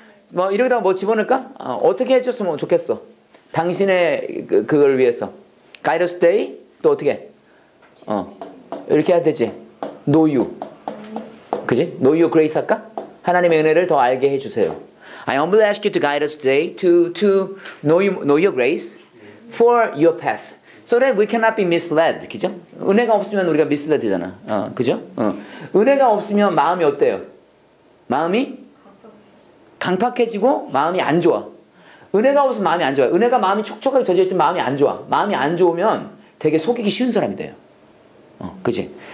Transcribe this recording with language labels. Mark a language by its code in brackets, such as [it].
[ko] 뭐 이러다가 뭐 집어넣을까? 어떻게 해줬으면 좋겠어. 당신의 그걸 위해서. [en] Guide us today. [ko] 또 어떻게? 이렇게 해야 되지. [en] Know you. [ko] 그지? [en] Know your grace [ko] 할까? 하나님의 은혜를 더 알게 해주세요. [en] I humbly ask you to guide us today to know your grace for your path. So that we cannot be misled. [ko] 그죠? 은혜가 없으면 우리가 misled 되잖아. 그죠? 은혜가 없으면 마음이 어때요? 마음이? 강팍해지고 마음이 안 좋아. 은혜가 없으면 마음이 안 좋아. 은혜가 마음이 촉촉하게 젖어있으면 마음이 안 좋아. 마음이 안 좋으면 되게 속이기 쉬운 사람이 돼요. 그치?